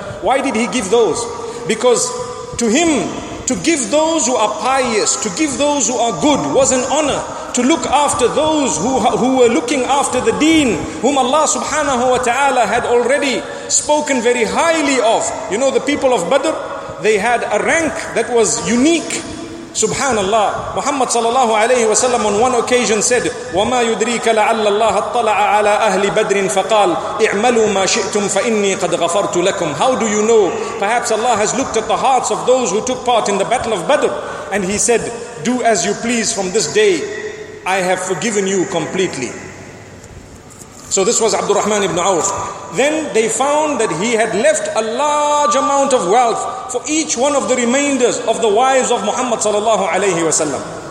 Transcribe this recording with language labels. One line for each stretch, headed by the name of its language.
English: Why did he give those? Because to him, to give those who are pious, to give those who are good, was an honor. To look after those who were looking after the deen, whom Allah subhanahu wa ta'ala had already spoken very highly of. You know, the people of Badr, they had a rank that was unique. Subhanallah. Muhammad sallallahu alayhi wa sallam on one occasion said,
Arabic: وَمَا يُدْرِيكَ لَعَلَّ اللَّهَ اطَّلَعَ عَلَى أَهْلِ بَدْرٍ فَقَالَ اِعْمَلُوا مَا شِئْتُمْ فَإِنِّي قَدْ غَفَرْتُ لَكُمْ.
English: How do you know? Perhaps Allah has looked at the hearts of those who took part in the Battle of Badr. And he said, do as you please from this day. I have forgiven you completely. So this was Abdur Rahman ibn Auf. Then they found that he had left a large amount of wealth for each one of the remainders of the wives of Muhammad sallallahu alayhi wa sallam.